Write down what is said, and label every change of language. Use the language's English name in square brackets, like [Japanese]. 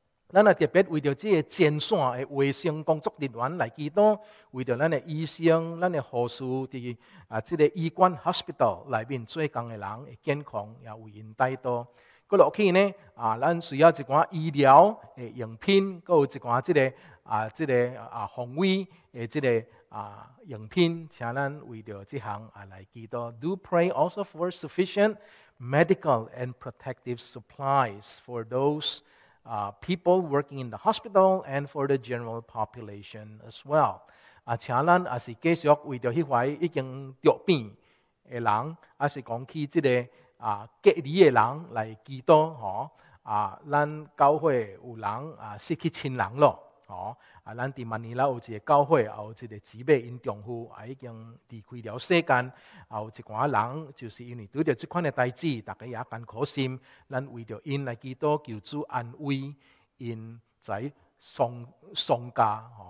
[Min Nan Chinese] 咱也特别为着这个前线的卫生工作人员来祈祷，为着咱的医生、咱的护士伫这个医馆 hospital 内面做工的人的健康，也为因祈祷。过落去呢，咱需要一寡医疗的用品，佮有一寡这个防卫的这个用品，请咱为着这项来祈祷。 [English] Do pray also for sufficient medical and protective supplies for those. People working in the hospital and for the general population as well. [Min Nan Chinese] 请咱也是继续为着迄块已经得病的人，也是讲起这个隔离的人来祈祷咱教会有人失去亲人了咱伫马尼拉有一个教会，有一个姊妹因丈夫已经离开了世间，有一寡人就是因为拄着这款的代志，大家也艰苦心，咱为着因来祈祷，求主安慰因在丧家